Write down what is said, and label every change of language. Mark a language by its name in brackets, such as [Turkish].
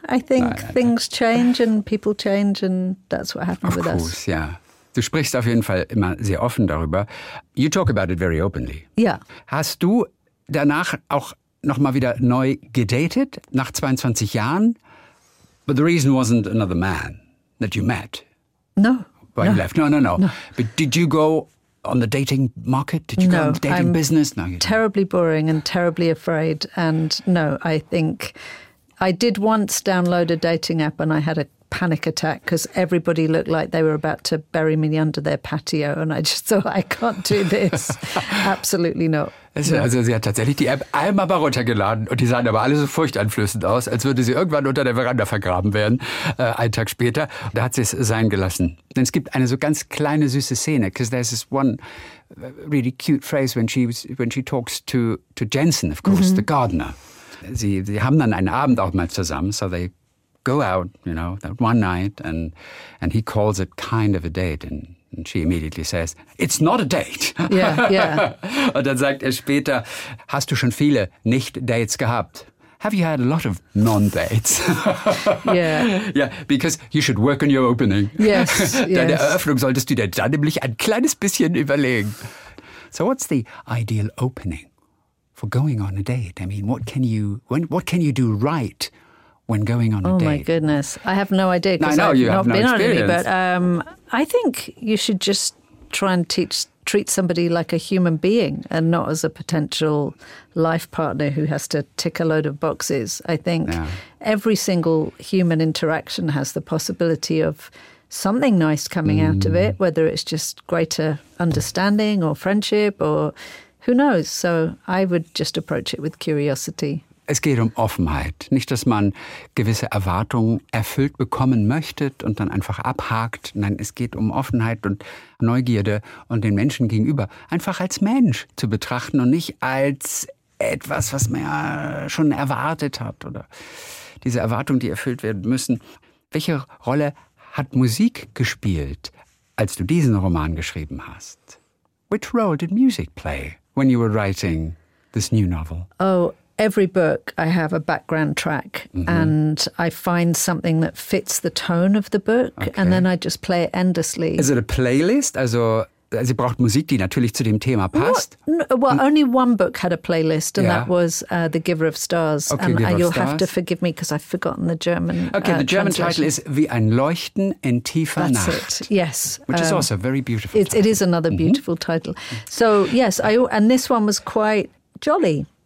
[English] I think things change and people change and that's what happened with us. Of course, yeah. [German] Du sprichst auf jeden Fall immer sehr offen darüber. [English] You talk about it very openly. Yeah. [German] Hast du danach auch nochmal wieder neu gedatet, nach 22 Jahren? [English] But the reason wasn't another man that you met. No. When you left. No. But did you go on the dating market? Did you go on the dating business? No, terribly boring and terribly afraid. And no, I think I did once download a dating app and I had a panic attack because everybody looked like they were about to bury me under their patio. And I just thought, I can't do this. Absolutely not. [German] Also sie hat tatsächlich die App einmal mal runtergeladen und die sahen aber alle so furchteinflößend aus, als würde sie irgendwann unter der Veranda vergraben werden, einen Tag später. Da hat sie es sein gelassen. Denn es gibt eine so ganz kleine süße Szene, [English] because there's this one really cute phrase when she talks to Jensen, of course, the gardener. [German] Sie haben dann einen Abend auch mal zusammen, [English] so they go out, you know, that one night and he calls it kind of a date and she immediately says, it's not a date. Yeah. [German] Und dann sagt er später, hast du schon viele Nicht-Dates gehabt? [English] have you had a lot of non-dates? Yeah. Yeah, because you should work on your opening. Yes. [German] Deine [English] yes. [German] Eröffnung solltest du dir dann nämlich ein kleines bisschen überlegen. [English] So what's the ideal opening for going on a date? I mean, what can you do right when going on a date? Oh my goodness. I have no idea. No, I know you have no experience. I've not been on any, but I think you should just try and treat somebody like a human being and not as a potential life partner who has to tick a load of boxes. I think every single human interaction has the possibility of something nice coming out of it, whether it's just greater understanding or friendship or who knows. So I would just approach it with curiosity. [German] Es geht Offenheit. Nicht, dass man gewisse Erwartungen erfüllt bekommen möchte und dann einfach abhakt. Nein, es geht Offenheit und Neugierde und den Menschen gegenüber einfach als Mensch zu betrachten und nicht als etwas, was man ja schon erwartet hat oder diese Erwartungen, die erfüllt werden müssen. Welche Rolle hat Musik gespielt, als du diesen Roman geschrieben hast? [English] Which role did music play when you were writing this new novel? Oh, every book I have a background track and I find something that fits the tone of the book and then I just play it endlessly. Is it a playlist? [German] Also, sie braucht Musik, die natürlich zu dem Thema passt. [English] Well, only one book had a playlist and that was The Giver of Stars. Okay, and you'll Stars. Have to forgive me because I've forgotten the German Okay, the German title is Wie ein Leuchten in tiefer That's [German] Nacht. [English] That's it, yes. Which is also a very beautiful title. It is another beautiful title. So, yes, and this one was quite jolly.